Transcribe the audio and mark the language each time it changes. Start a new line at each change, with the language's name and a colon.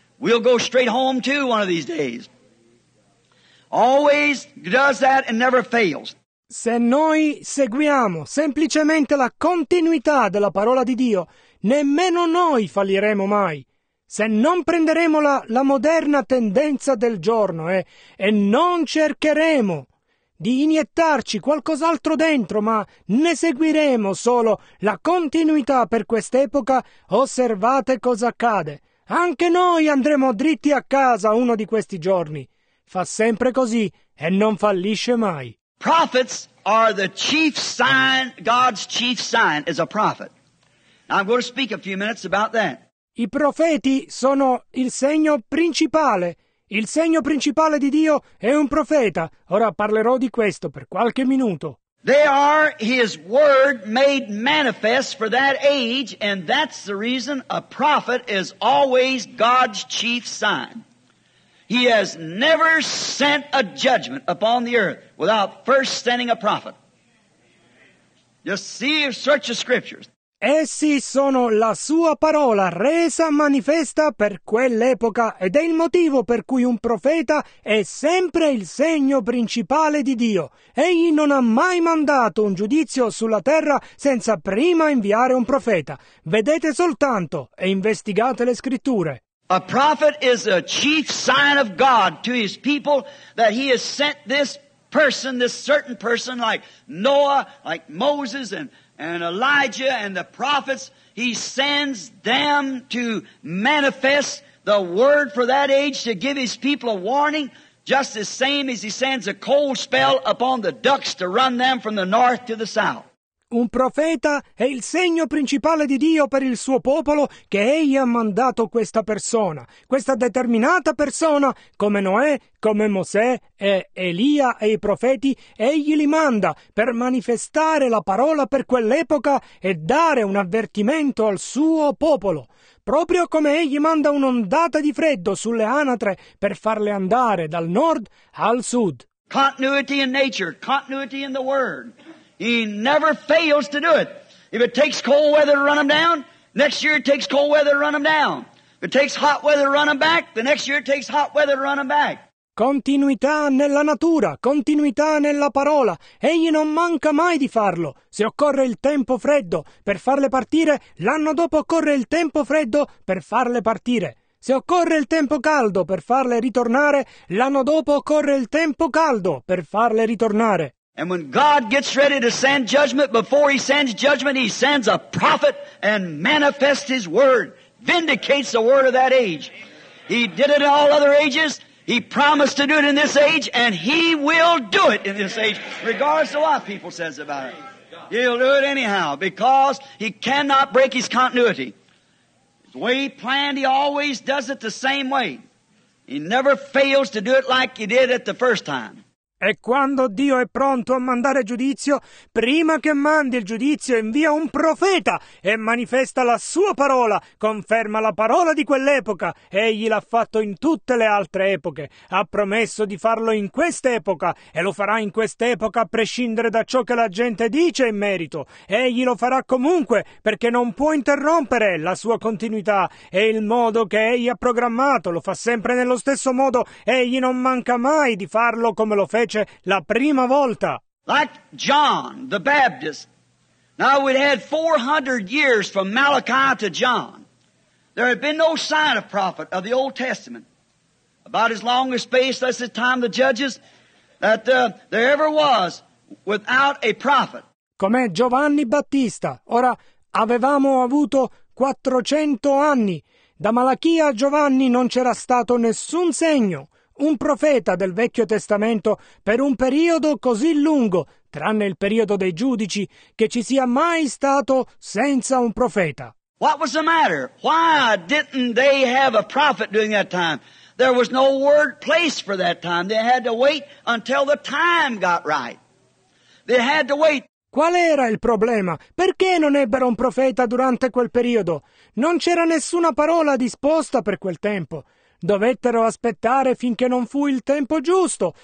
English: We'll go straight home too one of these days. Always does that and never fails.
Italian: Se noi seguiamo semplicemente la continuità della parola di Dio, nemmeno noi falliremo mai, se non prenderemo la moderna tendenza del giorno e non cercheremo di iniettarci qualcos'altro dentro, ma ne seguiremo solo la continuità per quest'epoca, osservate cosa accade. Anche noi andremo dritti a casa uno di questi giorni. Fa sempre così e non fallisce mai.
English: Prophets are the chief sign, God's chief sign is a prophet. I'm going to speak a few minutes about that.
Italian: I profeti sono il segno principale. Il segno principale di Dio è un profeta. Ora parlerò di questo per qualche minuto.
English: They are his word made manifest for that age, and that's the reason a prophet is always God's chief sign. He has never sent a judgment upon the earth without first sending a prophet. Just see or search the scriptures.
Italian: Essi sono la sua parola resa manifesta per quell'epoca ed è il motivo per cui un profeta è sempre il segno principale di Dio. Egli non ha mai mandato un giudizio sulla terra senza prima inviare un profeta. Vedete soltanto e investigate le scritture.
English: A prophet is a chief sign of God to his people that he has sent this person, this certain person like Noah, like Moses and Elijah and the prophets, he sends them to manifest the word for that age to give his people a warning, just the same as he sends a cold spell upon the ducks to run them from the north to the south.
Italian: Un profeta è il segno principale di Dio per il suo popolo che egli ha mandato questa persona, questa determinata persona, come Noè, come Mosè e Elia e i profeti, egli li manda per manifestare la parola per quell'epoca e dare un avvertimento al suo popolo. Proprio come egli manda un'ondata di freddo sulle anatre per farle andare dal nord al sud.
English: Continuity in nature, continuity in the word. He never fails to do it. If it takes cold weather to run them down, next year it takes cold weather to run them down. If it takes hot weather to run them back, the next year it takes hot weather to run them back.
Italian: Continuità nella natura, continuità nella parola. Egli non manca mai di farlo. Se occorre il tempo freddo per farle partire, l'anno dopo occorre il tempo freddo per farle partire. Se occorre il tempo caldo per farle ritornare, l'anno dopo occorre il tempo caldo per farle ritornare.
English: And when God gets ready to send judgment, before he sends judgment, he sends a prophet and manifests his word, vindicates the word of that age. He did it in all other ages. He promised to do it in this age, and he will do it in this age, regardless of what people says about it. He'll do it anyhow, because he cannot break his continuity. The way he planned, he always does it the same way. He never fails to do it like he did it the first time.
Italian: E quando Dio è pronto a mandare giudizio, prima che mandi il giudizio, invia un profeta e manifesta la sua parola, conferma la parola di quell'epoca. Egli l'ha fatto in tutte le altre epoche. Ha promesso di farlo in quest'epoca e lo farà in quest'epoca a prescindere da ciò che la gente dice in merito. Egli lo farà comunque perché non può interrompere la sua continuità e il modo che egli ha programmato. Lo fa sempre nello stesso modo. Egli non manca mai di farlo come lo fece la prima volta.
English: Like John the Baptist. Now we had 400 years from Malachi to John. There had been no sign of prophet of the Old Testament. About as long a space as the time of the judges that there ever was without a prophet.
Italian: Com'è Giovanni Battista. Ora avevamo avuto 400 anni. Da Malachia a Giovanni non c'era stato nessun segno. Un profeta del Vecchio Testamento per un periodo così lungo, tranne il periodo dei giudici, che ci sia mai stato senza un profeta.
English: What was the matter? Why didn't they have a prophet during that time? There was no word placed for that time. They had to wait until the time got right. They had to wait.
Italian: Qual era il problema? Perché non ebbero un profeta durante quel periodo? Non c'era nessuna parola disposta per quel tempo. Dovettero aspettare finché non fu il tempo giusto.